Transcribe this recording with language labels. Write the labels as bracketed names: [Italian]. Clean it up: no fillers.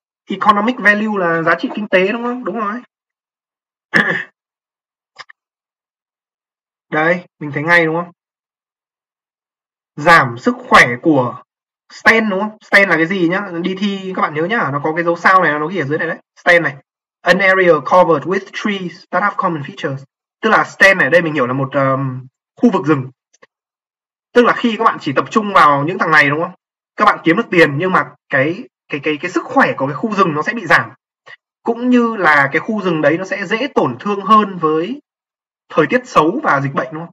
[Vietnamese] Economic value là giá trị kinh tế đúng không? Đúng rồi. Đây, mình thấy ngay đúng không? Giảm sức khỏe của stent đúng không? Stent là cái gì nhá? Đi thi các bạn nhớ nhá, nó có cái dấu sao này nó ghi ở dưới này đấy. Stent này. [English] An area covered with trees that have common features. [Vietnamese] Tức là stent này đây mình hiểu là một khu vực rừng. Tức là khi các bạn chỉ tập trung vào những thằng này đúng không? Các bạn kiếm được tiền nhưng mà cái sức khỏe của cái khu rừng nó sẽ bị giảm. Cũng như là cái khu rừng đấy nó sẽ dễ tổn thương hơn với thời tiết xấu và dịch bệnh đúng không?